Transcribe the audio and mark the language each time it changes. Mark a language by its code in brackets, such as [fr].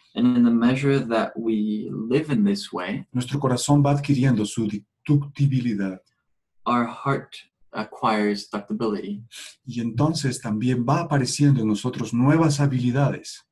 [en] and in the measure that we live in this way, [es] nuestro corazón va adquiriendo su ductibilidad. [en] Our heart acquires ductibility. [es] Y entonces también va apareciendo en nosotros nuevas habilidades.